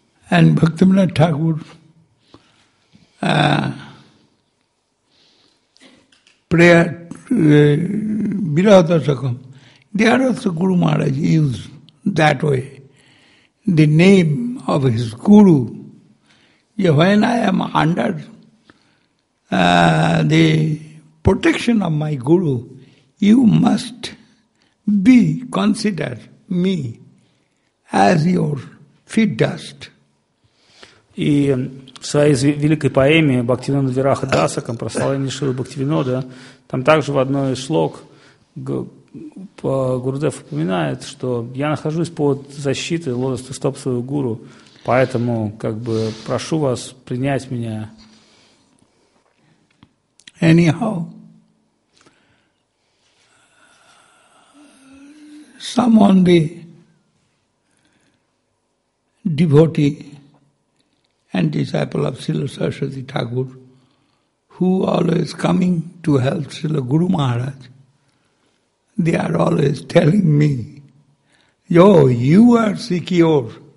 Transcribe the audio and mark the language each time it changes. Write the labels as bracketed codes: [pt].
[en] And Bhaktivinoda Thakur prayer they are also Guru Maharaj used that way, the name of his guru. When I am under the protection of my guru, you must be consider me as your feet dust. [ru] И в своей великой поэме Бхактивинода Вираха Дасакам, прославление Шрилы Бхактивинода, там также в одной из шлок Гурудев упоминает, что я нахожусь под защитой лотоса стоп своего гуру, поэтому как бы прошу вас принять меня. [en] Anyhow, someone the devotee and disciple of Srila Saraswati Thakur, who always coming to help Srila Guru Maharaj, they are always telling me, yo, you are secure